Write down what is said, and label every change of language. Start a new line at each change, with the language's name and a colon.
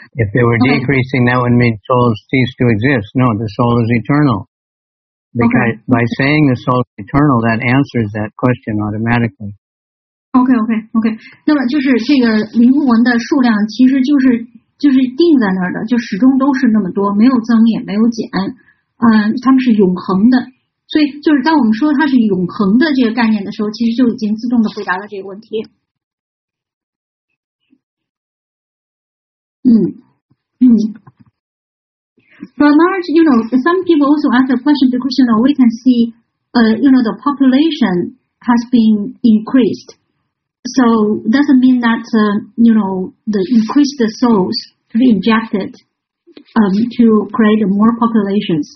English: If they were decreasing, that would mean souls cease to exist. No, the soul is eternal. Because by saying the soul is eternal, that answers that question automatically. Okay.
Chinese: 那么就是这个灵魂的数量其实就是定在那儿的，就始终都是那么多，没有增也没有减。他们是永恒的。所以就是当我们说它是永恒的这个概念的时候，其实就已经自动的回答了这个问题。
English: But Maharaj, you know, some people also ask a question because, you know, we can see, you know, the population has been increased. So doesn't mean that, you know, the increased souls to be injected to create more populations.